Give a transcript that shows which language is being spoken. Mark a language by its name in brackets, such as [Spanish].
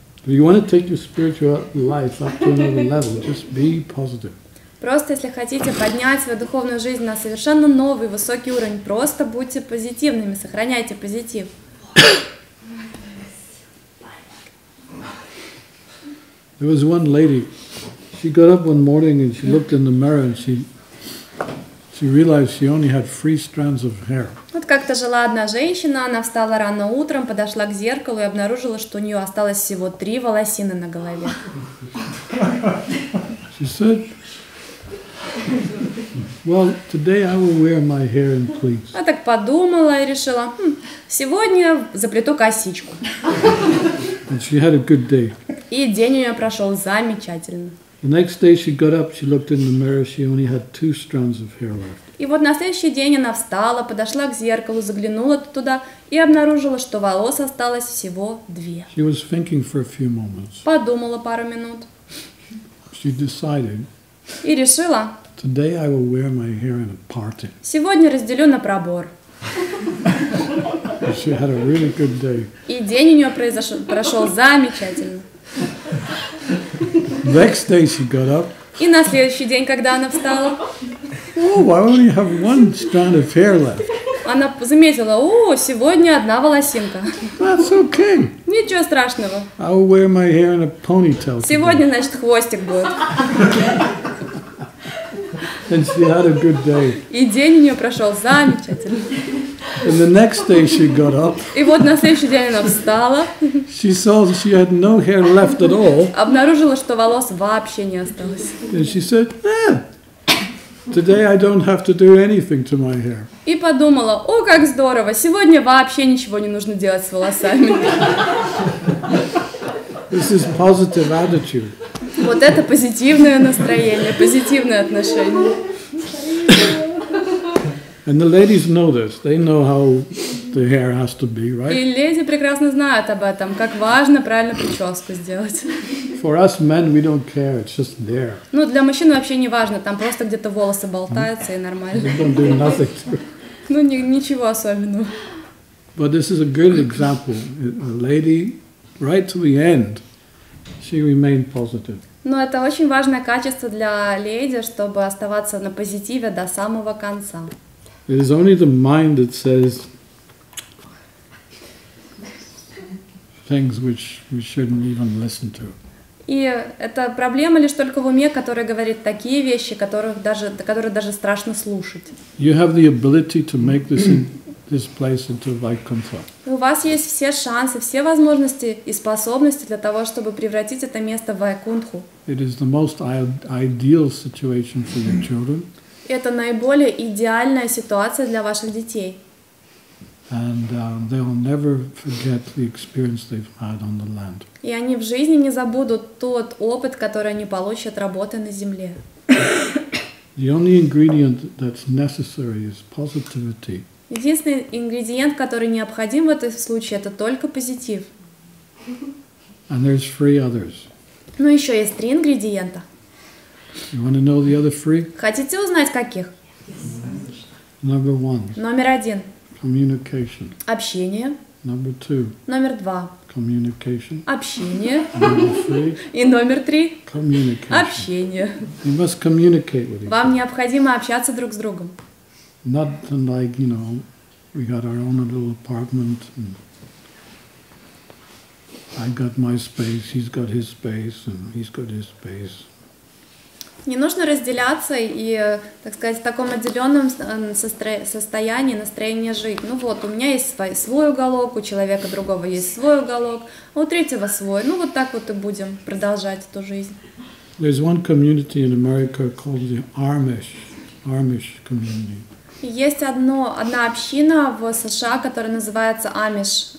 [English] If you want to take your spiritual life up to another level, just be positive. [Russian] Просто если хотите поднять свою духовную жизнь на совершенно новый высокий уровень, просто будьте позитивными, сохраняйте позитив. [English] There was one lady. She got up one morning and she looked in the mirror and she realized she only had 3 strands of hair. [Russian] Вот как-то жила одна женщина, она встала рано утром, подошла к зеркалу и обнаружила, что у нее осталось всего 3 волосины на голове. [English] She said, well, today I will wear my hair in pleats. [Russian] Она так подумала и решила, сегодня заплету косичку. [English] And she had a good day. [Russian] И день у нее прошел замечательно. [English] The next day she got up, she looked in the mirror, she only had 2 strands of hair left. [Russian] И вот на следующий день она встала, подошла к зеркалу, заглянула туда и обнаружила, что волос осталось всего 2. [English] She was thinking for a few moments. [Russian] Подумала пару минут. [English] She decided. [Russian] И решила. [English] Today I will wear my hair in a party. [Russian] Сегодня разделю на пробор. [English] She had a really good day. [Russian] И день у нее прошел замечательно. [English] Next day she got up. [Russian] И на следующий день, когда она встала. [English] Oh, I only have 1 strand of hair left. [Russian] Она заметила, о, сегодня 1 волосинка. [English] That's okay. [Russian] Ничего страшного. [English] I will wear my hair in a ponytail. [Russian] Сегодня, значит, хвостик будет. [English] And she had a good day. [Russian] И день у нее прошел замечательно. [English] And the next day she got up. [Russian] И вот на следующий день она встала. [English] She saw that she had no hair left at all. [Russian] Обнаружила, что волос вообще не осталось. [English] And she said, today I don't have to do anything to my hair. [Russian] И подумала, о, как здорово, сегодня вообще ничего не нужно делать с волосами. [English] This is positive attitude. [Russian] Вот это позитивное настроение, позитивное отношение. [English] And the ladies know this. They know how the hair has to be, right? [Russian] И леди прекрасно знают об этом, как важно правильно прическу сделать. [English] For us men, we don't care. It's just there. [Russian] Ну, для мужчин вообще не важно. Там просто где-то волосы болтаются и нормально. [English] They don't do nothing to it. [Russian] Ну, ничего особенного. [English] But this is a good example. A lady, right to the end, she remained positive. [Russian] Но это очень важное качество для леди, чтобы оставаться на позитиве до самого конца. [English] It is only the mind that says things which we shouldn't even listen to. [Russian] И это проблема лишь только в уме, которая говорит такие вещи, которые даже страшно слушать. [English] You have the ability to make this place into like comfort. [Russian] У вас есть все шансы, все возможности и способности для того, чтобы превратить это место в Вайкунтху. [English] It is the most ideal situation for your children. [Russian] Это наиболее идеальная ситуация для ваших детей. [English] And they will never forget the experience they've had on the land. [Russian] И они в жизни не забудут тот опыт, который они получат работая на земле. [English] The only ingredient that's necessary is positivity. [Russian] Единственный ингредиент, который необходим в этом случае, это только позитив. [English] And there's three others. [Russian] Ну еще есть три ингредиента. [English] You want to know the other three? [Russian] Хотите узнать каких? [English] Yes. Number one. [Russian] Номер один. [English] Communication. [Russian] Общение. [English] Number two. [Russian] Номер два. [English] Communication. [Russian] Общение. [English] Number three. [Russian] И номер три. [English] Communication. [Russian] Общение. [English] You must communicate with each other. [Russian] Вам необходимо общаться друг с другом. Not like, you know, we got our own little apartment and I got my space, he's got his space and he's got his space. Не нужно разделяться и, так сказать, в таком отделенном состоянии, настроении жить. Ну вот, у меня есть свой уголок, у человека другого есть свой уголок, а у третьего свой. Ну вот так вот и будем продолжать эту жизнь. [English] There's one community in America called the Amish community. [Russian] Есть одна община в США, которая называется Амиш.